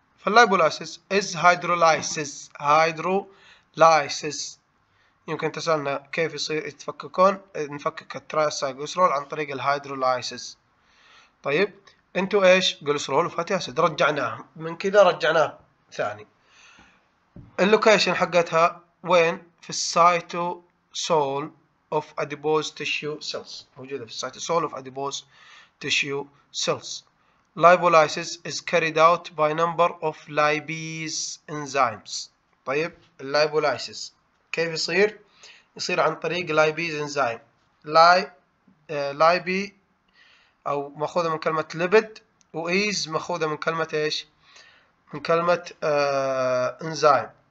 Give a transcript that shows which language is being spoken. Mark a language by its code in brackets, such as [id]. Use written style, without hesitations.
[en] فاللايبولايسيس از هيدرولايسيس. [ar] هيدرولايسيس يمكن تسألنا كيف يصير يتفككون؟ نفكك الترايسايجلسرول عن طريق الهيدروليسيس. طيب انتو ايش؟ جلسرول وفاتي اسيد، رجعناه من كذا رجعناه ثاني. اللوكيشن حقتها وين؟ في السايتوسول [en] of adipose tissue cells. [ar] موجودة في [en] cytosol of adipose tissue cells. Lipolysis is carried out by number of lipase enzymes. [ar] طيب lipolysis كيف يصير؟ يصير عن طريق lipase enzyme. Lipi أو مأخوذة من كلمة lipid و is مأخوذة من كلمة إيش؟ من كلمة enzyme.